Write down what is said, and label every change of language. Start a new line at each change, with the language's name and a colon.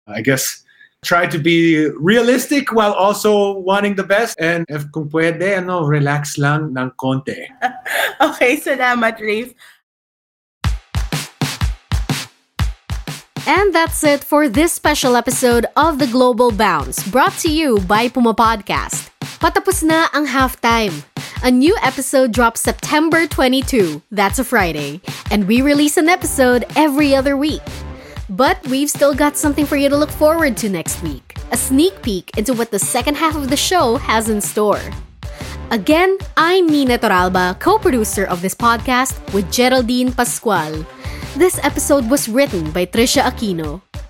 English: I guess try to be realistic while also wanting the best. And if
Filipino: kung pwede, ano, relax lang ng konti. Okay, salamat, Rafe.
English: And that's it for this special episode of The Global Bounce, brought to you by Puma Podcast.
Filipino: Patapos na ang halftime.
English: A new episode drops September 22, that's a Friday, and we release an episode every other week. But we've still got something for you to look forward to next week, a sneak peek into what the second half of the show has in store. Again, I'm Nina Toralba, co-producer of this podcast with Geraldine Pascual. This episode was written by Trisha Aquino.